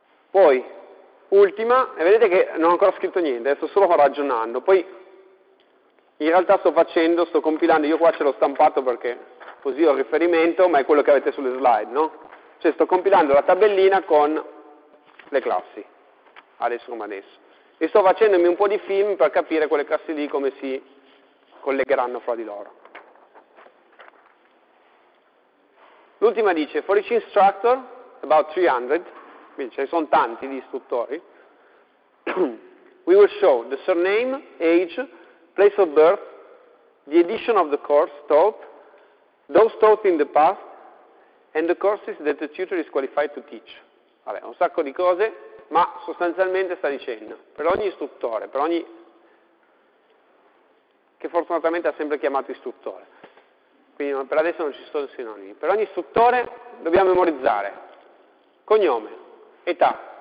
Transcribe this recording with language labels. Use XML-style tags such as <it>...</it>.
<it>Poi, ultima, e vedete che non ho ancora scritto niente, sto solo ragionando, poi in realtà sto compilando, io qua ce l'ho stampato perché così ho il riferimento, ma è quello che avete sulle slide, no? Cioè sto compilando la tabellina con le classi, adesso come adesso. E sto facendomi un po' di film per capire quelle classi lì come si collegheranno fra di loro. L'ultima dice,</it> <en>for each instructor, about 300,</en> <it>quindi ce ne sono tanti di istruttori,</it> <en>we will show the surname, age, place of birth, the edition of the course taught, those taught in the past, and the courses that the tutor is qualified to teach.</en> <it>Vabbè, un sacco di cose, ma sostanzialmente sta dicendo, per ogni istruttore, per ogni che fortunatamente ha sempre chiamato istruttore, quindi per adesso non ci sono sinonimi, per ogni istruttore dobbiamo memorizzare cognome, età,</it>